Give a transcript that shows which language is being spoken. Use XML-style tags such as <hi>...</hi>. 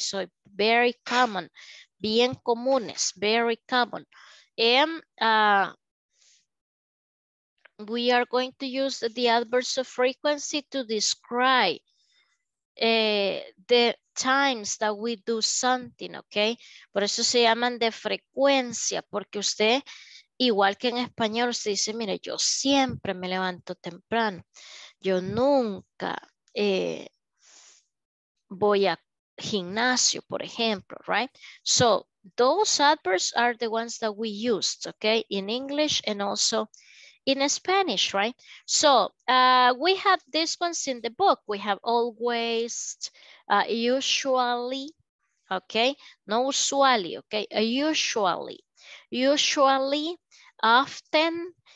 <en>So very common,</en> <es>bien comunes,</es> <en>very common. And we are going to use the adverbs of frequency to describe the times that we do something, okay?</en> <es>Por eso se llaman de frecuencia, porque usted, igual que en español, se dice, mire, yo siempre me levanto temprano. Yo nunca voy a gimnasio, por ejemplo, right?</es> <en>So, those adverbs are the ones that we used, okay? In English and also in Spanish, right? So we have these ones in the book. We have always, usually, okay? No usually, okay? Usually, usually, often.</en>